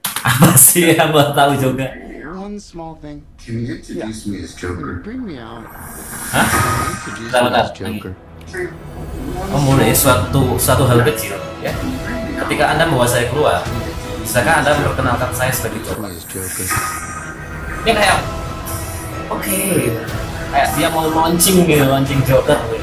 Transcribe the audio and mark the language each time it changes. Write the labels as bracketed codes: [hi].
[id] Apa sih yang gue tahu juga? [en] Small thing. Can you introduce me as Joker? Hah? [id] Kamu mulai suatu hal kecil, ya. Ketika Anda membawa saya keluar, bisakah Anda memperkenalkan saya sebagai Joker? Ini kayak, oke. Kayak dia mau launching Joker.